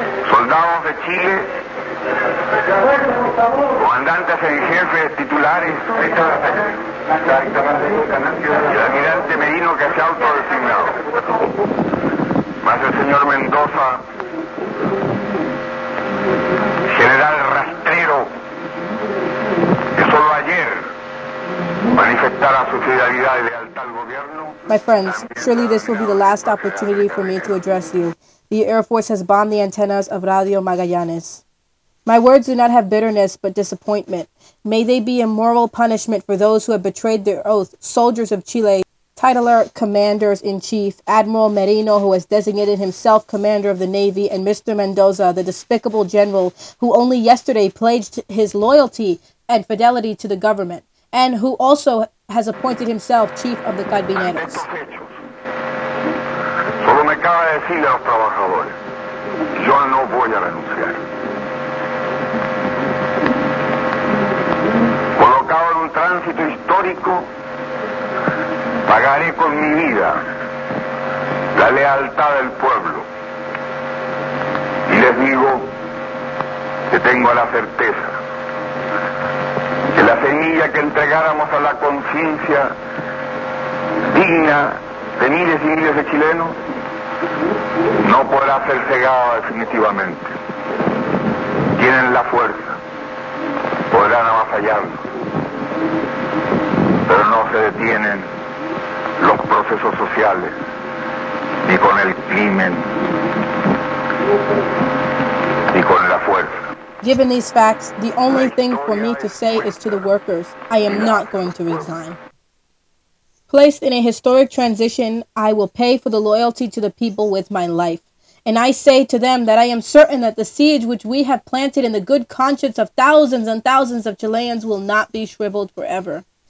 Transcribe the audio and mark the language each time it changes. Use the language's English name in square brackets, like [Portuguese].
[Spanish] Soldados de Chile, comandantes en jefe, titulares de esta batalla, y el almirante Merino, que se ha autodesignado, más el señor Mendoza, general rastrero, que solo ayer manifestara su fidelidad y lealtad. [English] My friends, surely this will be the last opportunity for me to address you. The Air Force has bombed the antennas of Radio Magallanes. My words do not have bitterness, but disappointment. May they be a moral punishment for those who have betrayed their oath, soldiers of Chile. titular commanders-in-chief, Admiral Merino, who has designated himself commander of the Navy, and Mr. Mendoza, the despicable general who only yesterday pledged his loyalty and fidelity to the government, and who also has appointed himself chief of the carabineros. [Spanish] Solo me cabe decirle a los trabajadores, yo no voy a renunciar. Colocado en un tránsito histórico, pagaré con mi vida la lealtad del pueblo. Y les digo que tengo la certeza que la semilla que entregáramos a la conciencia digna de miles y miles de chilenos no podrá ser cegada definitivamente. Tienen la fuerza, podrán avasallarlo, pero no se detienen los procesos sociales ni con el crimen ni con la fuerza. [English] Given these facts, the only thing for me to say is to the workers, I am not going to resign. Placed in a historic transition, I will pay for the loyalty to the people with my life. And I say to them that I am certain that the seed which we have planted in the good conscience of thousands and thousands of Chileans will not be shriveled forever.